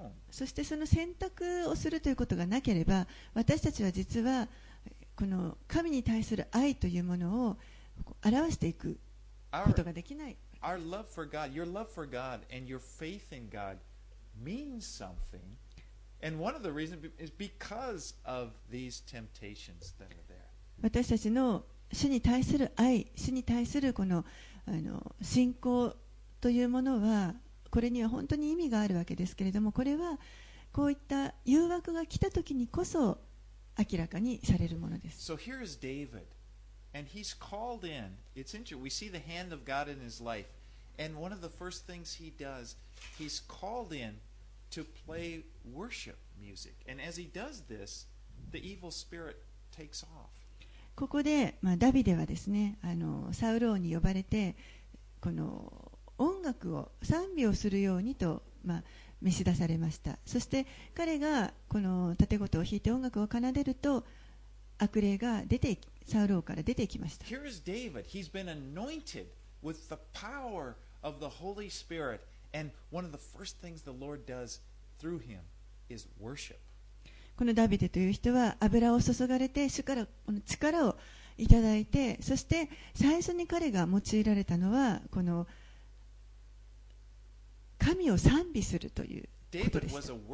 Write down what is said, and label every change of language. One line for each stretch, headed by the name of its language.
Japanese: そしてその選択をするということがなければ、私たちは実はこの神に対する愛というものを表していくことができない。
English: our love for God, your love for God and your faith in God means something, and one of the reasons is because of these temptations that are there.
Japanese: 私たちの主に対する愛、主に対するこの、信仰というものはこれには本当に意味があるわけですけれども、これはこういった誘惑が来た時にこそ明らかにされるものです。
English: So here is David, and he's called in. It's interesting. We see the hand of God in his life, and one of the first things he does, he's called in to play worship music. And as he does this, the evil spirit takes off.
Japanese: ここで、まあ、ダビデはですね、サウル王に呼ばれてこの音楽を賛美をするようにと、まあ、召し出されました。そして彼がこの立て事を弾いて音楽を奏でると、悪霊が出てサウル王から出ていきました。
English: Here is David. He's been anointed with the power of the Holy Spirit, and one of the first things the Lord does through him is worship.
Japanese: このダビデという人は油を注がれて主からこの力をいただいて、そして最初に彼が用いられたのはこの神を賛美するということでした。